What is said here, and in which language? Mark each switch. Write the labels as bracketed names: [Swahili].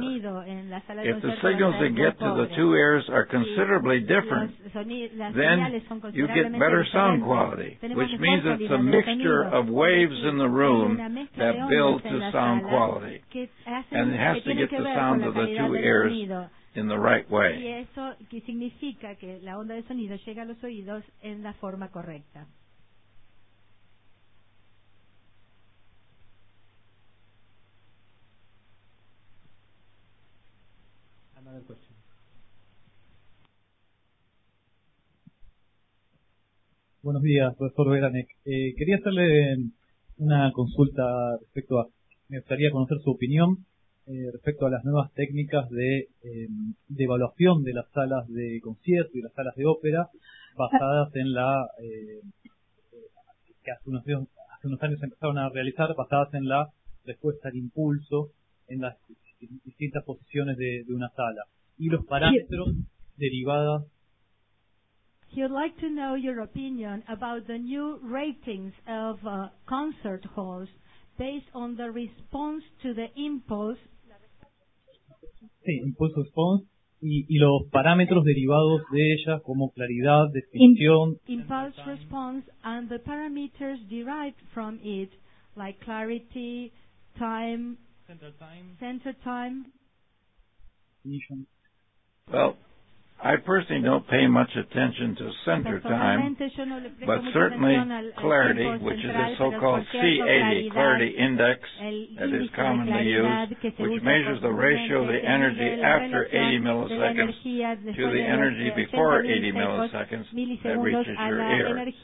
[English] If the signals that get to the two ears are considerably different, then you get better sound quality, which means it's a mixture of waves in the room that build to sound quality, and it has to get the sound of the two ears in the right way. [Spanish] Y eso que significa que la onda de sonido llega a los oídos en la forma correcta. [English] Another question. [Spanish] Buenos días, profesor Veranek. Quería hacerle una consulta respecto a, me gustaría conocer su opinión respecto a las nuevas técnicas de evaluación de las salas de concierto y las salas de ópera basadas en la que hace unos años empezaron a realizar, basadas en la respuesta al impulso en las distintas posiciones de una sala y los parámetros derivados. [English] He'd like to know your opinion about the new ratings of concert halls based on the response to the impulse. [Spanish] Sí, impulso response y los parámetros derivados de ella como claridad, definición. [English] Impulse response and the parameters derived from it, like clarity, time. Central time. Central time. Well, I personally don't pay much attention to center time, but certainly clarity, which is a so-called C80, clarity index, that is commonly used, which measures the ratio of the energy after 80 milliseconds to the energy before 80 milliseconds that reaches your ear.